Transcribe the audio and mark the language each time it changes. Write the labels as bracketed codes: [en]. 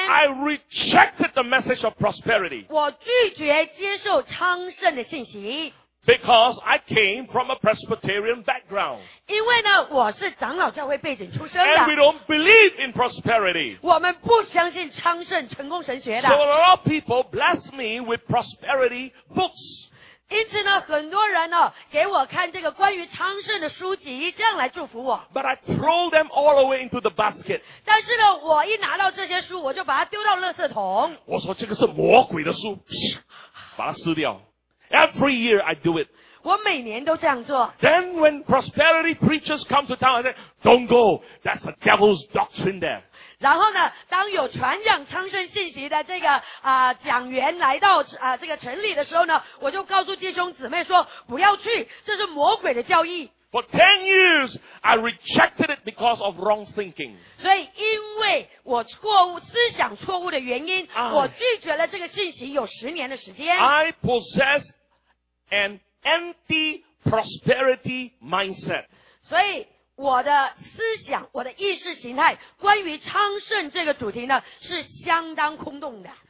[en] ,I rejected the message of prosperity. [zh] 我拒绝接受昌盛的信息。 [en] Because I came from a Presbyterian background. [zh] 因为呢我是长老教会背景出身的。 [en] And we don't believe in prosperity. [zh] 我们不相信昌盛成功神学的。 [en] So a lot of people bless me with prosperity books. [zh] 因此呢很多人呢给我看这个关于昌盛的书籍，这样来祝福我。 [en] But I throw them all away into the basket. [zh] 但是呢我一拿到这些书我就把它丢到垃圾桶。我说这个是魔鬼的书，把它撕掉。 [en] Every year I do it. [zh] 我每年都这样做。 [en] Then when prosperity preachers come to town, I say, don't go. That's the devil's doctrine there. [zh] 然后呢当有传讲昌盛信息的这个讲员来到这个城里的时候呢，我就告诉弟兄姊妹说不要去，这是魔鬼的教义。 [en] For 10 years, I rejected it because of wrong thinking. [zh] 所以因为我错误思想错误的原因，我拒绝了这个信息有十年的时间。 [en] I possess an anti-prosperity mindset. [zh] 所以我的思想，我的意识形态，关于昌盛这个主题呢，是相当空洞的。